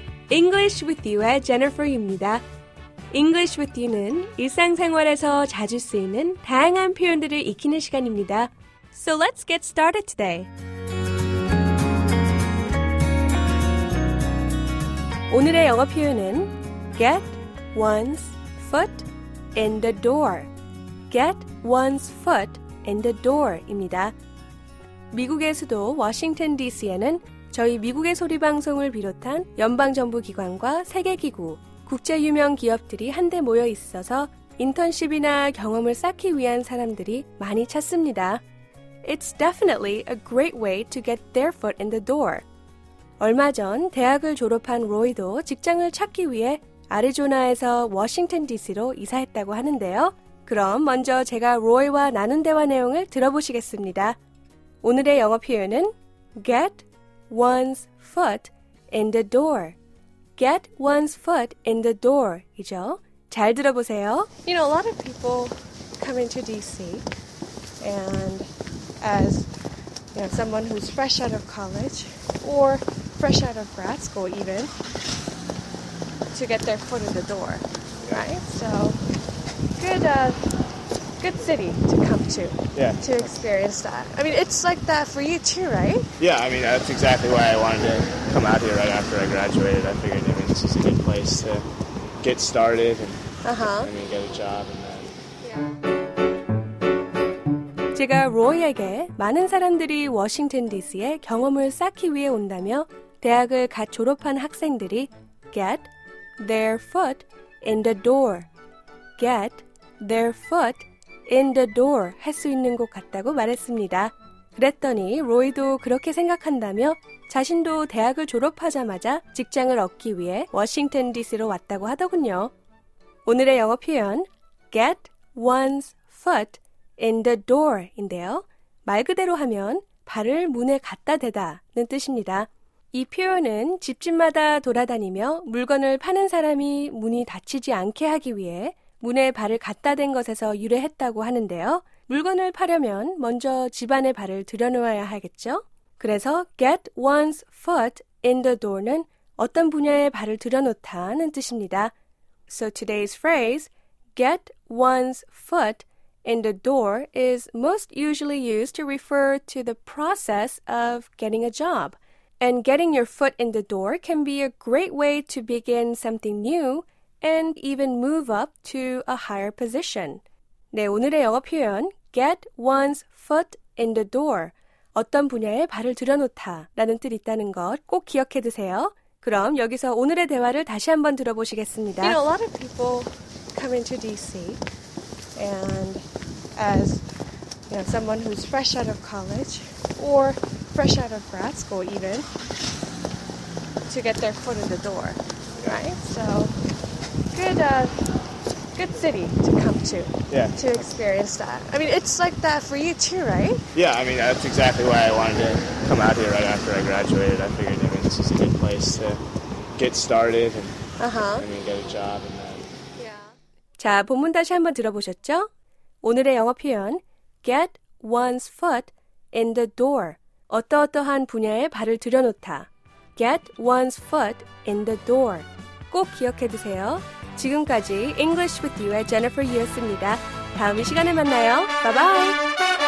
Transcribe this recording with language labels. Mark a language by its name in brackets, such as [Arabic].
[Korean] English with you의 Jennifer입니다. English with you는 일상생활에서 자주 쓰이는 다양한 표현들을 익히는 시간입니다. [English] So let's get started today. [Korean] 오늘의 영어 표현은 [English] get one's foot in the door. Get one's foot in the door입니다. [Korean] 미국의 수도 워싱턴 DC에는 저희 미국의 소리 방송을 비롯한 연방정부기관과 세계기구, 국제유명기업들이 한데 모여 있어서 인턴십이나 경험을 쌓기 위한 사람들이 많이 찾습니다. [English] It's definitely a great way to get their foot in the door. [Korean] 얼마 전 대학을 졸업한 로이도 직장을 찾기 위해 아리조나에서 워싱턴 DC로 이사했다고 하는데요. 그럼 먼저 제가 로이와 나눈 대화 내용을 들어보시겠습니다. 오늘의 영어 표현은 [English] get one's foot in the door. Get one's foot in the door. [Korean] 이죠? 잘 들어보세요. [English] You know, a lot of people come into DC and as you know, someone who's fresh out of college or fresh out of grad school even to get their foot in the door, right? So, good city to come to, yeah, to experience that. I mean, it's like that for you too, right? Yeah, I mean, that's exactly why I wanted to come out here right after I graduated. I figured, I mean, this is a good place to get started and, uh-huh. and get a job and then. Yeah. [Korean] 제가 로이에게 많은 사람들이 워싱턴 DC에 경험을 쌓기 위해 온다며 대학을 갓 졸업한 학생들이 [English] get their foot in the door, [Korean] get their foot in the door 할 수 있는 곳 같다고 말했습니다. 그랬더니 로이도 그렇게 생각한다며 자신도 대학을 졸업하자마자 직장을 얻기 위해 워싱턴 DC로 왔다고 하더군요. 오늘의 영어 표현 [English] get one's foot in the door인데요. [Korean] 말 그대로 하면 발을 문에 갖다 대다는 뜻입니다. 이 표현은 집집마다 돌아다니며 물건을 파는 사람이 문이 닫히지 않게 하기 위해 문에 발을 갖다 댄 것에서 유래했다고 하는데요. 물건을 파려면 먼저 집안에 발을 들여놓아야 하겠죠. 그래서 [English] get one's foot in the door [Korean] 는 어떤 분야에 발을 들여놓다는 뜻입니다. [English] So today's phrase, get one's foot in the door is most usually used to refer to the process of getting a job. And getting your foot in the door can be a great way to begin something new and even move up to a higher position. [Korean] 네, 오늘의 영어 표현, [English] get one's foot in the door, [Korean] 어떤 분야에 발을 들여놓다 라는 뜻 있다는 것 꼭 기억해 두세요. 그럼 여기서 오늘의 대화를 다시 한번 들어보시겠습니다. [English] You know, a lot of people come into D.C. and as you know, someone who's fresh out of college or fresh out of grad school even to get their foot in the door, right? So good city to come to, yeah, to experience that. I mean, it's like that for you too, right? Yeah, I mean, that's exactly why I wanted to come out here right after I graduated. I figured, I mean, this is a good place to get started and, uh-huh. and get a job and then. Yeah. [Korean] 자, 본문 다시 한번 들어보셨죠? 오늘의 영어 표현, [English] get one's foot in the door. [Korean] 어떠어떠한 분야에 발을 들여놓다. [English] Get one's foot in the door. [Korean] 꼭 기억해 두세요. 지금까지 English with You의 Jennifer Yu였습니다. 다음 이 시간에 만나요. [English] Bye-bye.